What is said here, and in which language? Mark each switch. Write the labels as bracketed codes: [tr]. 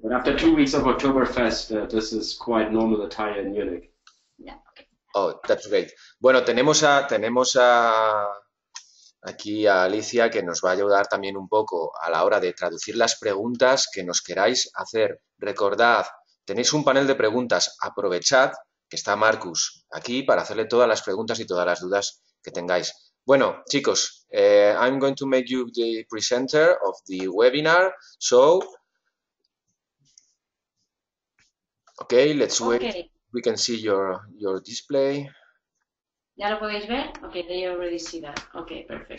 [en] But after 2 weeks of Oktoberfest, this is quite normal attire in Munich. Oh, that's great. [es] Bueno, aquí a Alicia, que nos va a ayudar también un poco a la hora de traducir las preguntas que nos queráis hacer. Recordad, tenéis un panel de preguntas, aprovechad que está Marcus aquí para hacerle todas las preguntas y todas las dudas que tengáis. Bueno, chicos, [en] I'm going to make you the presenter of the webinar. So, okay, let's wait. Okay. We can see your display. [es] ¿Ya lo podéis ver? [en] Okay, they already see that. Okay, perfect.